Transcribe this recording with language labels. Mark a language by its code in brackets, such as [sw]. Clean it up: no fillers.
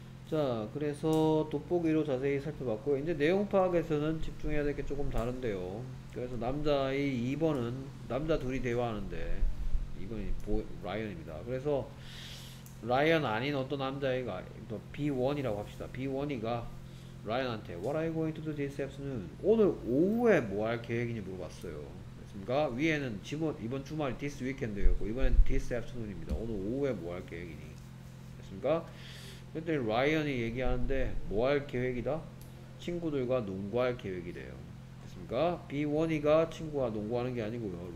[ko] 자, 그래서 돋보기로 자세히 살펴봤고요. 이제 내용 파악에서는 집중해야 될 게 조금 다른데요. 그래서 남자의 2번은 남자 둘이 대화하는데 이건 라이언입니다. 그래서 라이언 아닌 어떤 남자애가 B1이라고 합시다. B1이가 라이언한테 [en] What are you going to do this afternoon? [ko] 오늘 오후에 뭐 할 계획인지 물어봤어요. 됐습니까? 위에는 이번 주말이 [en] this weekend [ko] 였고 이번엔 [en] this afternoon [ko] 입니다. 오늘 오후에 뭐 할 계획이니? 됐습니까? 그랬더니 라이언이 얘기하는데 뭐 할 계획이다? 친구들과 농구할 계획이래요. 됐습니까? B1이가 친구와 농구하는 게 아니고요.